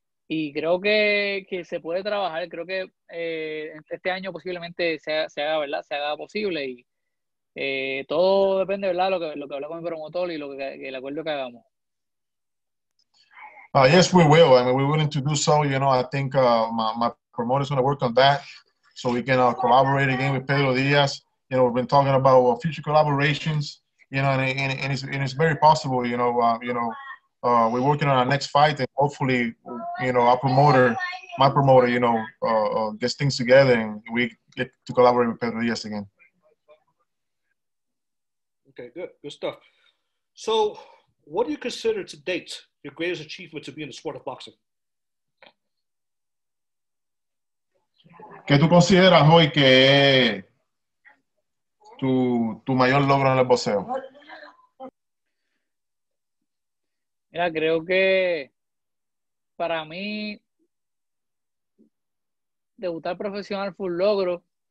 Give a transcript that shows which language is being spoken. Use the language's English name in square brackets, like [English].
[Spanish] Y creo que se puede trabajar, creo que este año posiblemente se haga, ¿verdad?, se haga posible, y todo depende, ¿verdad?, lo que hablamos con el promotor y el acuerdo que hagamos. [English] Yes, we will. I mean, we're willing to do so. You know, I think my promoter is going to work on that so we can collaborate again with Pedro Diaz. You know, we've been talking about future collaborations, you know, and it's very possible, you know, we're working on our next fight, and hopefully, you know, my promoter, you know, gets things together and we get to collaborate with Pedro Diaz again. Okay, good stuff. So, what do you consider to date your greatest achievement to be in the sport of boxing? [Spanish] ¿Qué tú consideras hoy que tu mayor logro en el boxeo? Mira, creo que para mí debutar profesional fue un logro.